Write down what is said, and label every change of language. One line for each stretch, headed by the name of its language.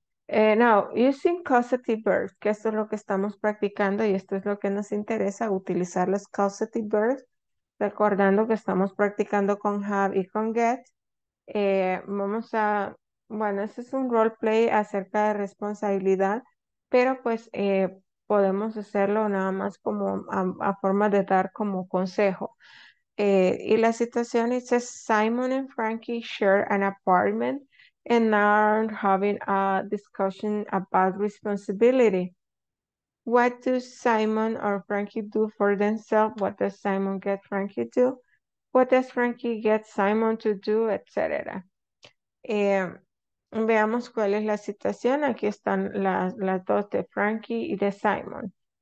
English: Now, using causative verbs,
Spanish: que esto es lo que estamos practicando y esto es lo que nos interesa, utilizar los causative verbs, recordando que estamos practicando con have y con get, vamos a, bueno, este es un role play acerca de responsabilidad, pero pues podemos hacerlo nada más como a forma de dar como consejo. Y la situación es,
English: Simon and Frankie share an apartment, and now having a discussion about responsibility. What do Simon or Frankie do for themselves? What does Simon get Frankie to? What does Frankie get Simon to do, etc.
Spanish: Veamos cuál es la situación. Aquí están las dos de Frankie y de Simon.